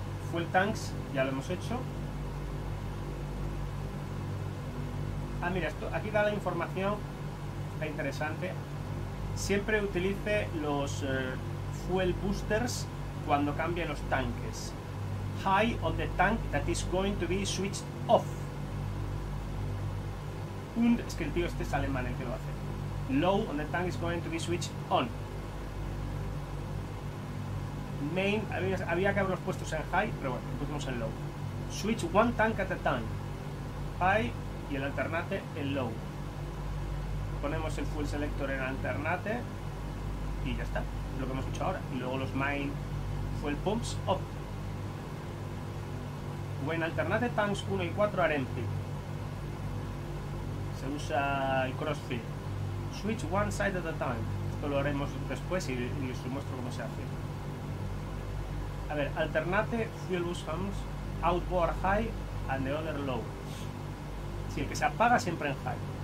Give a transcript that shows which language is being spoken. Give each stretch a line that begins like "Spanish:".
Spanish: Fuel tanks, ya lo hemos hecho. Ah, mira, esto aquí da la información interesante. Siempre utilice los fuel boosters cuando cambie los tanques.
English: High on the tank that is going to be switched off.
Spanish: Und, es que el tío este es alemán el que lo hace.
English: Low on the tank is going to be switched on.
Spanish: Main, había que haberlos puestos en high, pero bueno, los pusimos en low.
English: Switch one tank at a time.
Spanish: High y el alternate en low. Ponemos el fuel selector en alternate y ya está, lo que hemos hecho ahora. Y luego los main fuel pumps off.
English: Bueno, alternate tanks 1 y 4 are empty.
Spanish: Se usa el crossfit.
English: Switch one side at a time.
Spanish: Esto lo haremos después y os muestro cómo se hace. A ver,
English: alternate fuel boost pumps, outboard high and the other low.
Spanish: Si el que se apaga siempre en high.